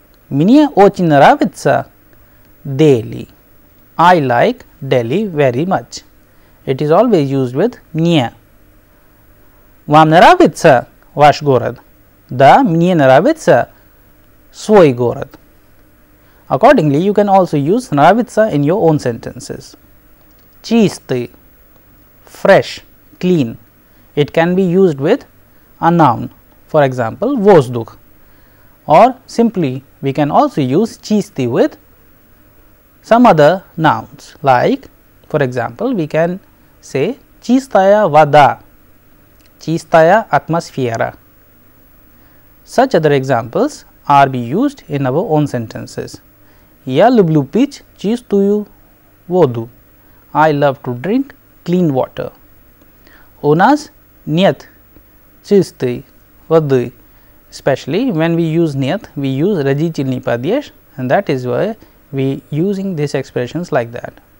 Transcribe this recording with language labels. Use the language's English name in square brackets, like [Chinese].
[Russian] Мне очень нравится Дели. [English] I like Delhi very much. It is always used with мне. [Russian] Вам нравится ваш город? Да, мне нравится свой город. [English] Accordingly, you can also use нравится in your own sentences. Чистый, fresh, clean. It can be used with a noun, for example, воздух. Or simply, we can also use чистый with some other nouns, like, for example, we can say [Russian] чистая вода, чистая атмосфера. [English] Such other examples are be used in our own sentences. [Russian] Я люблю пить чистую воду. [English] I love to drink clean water. [Russian] У нас нет чистой воды. [English] Especially when we use нет, we use родительный падеж, and that is why we using these expressions like that.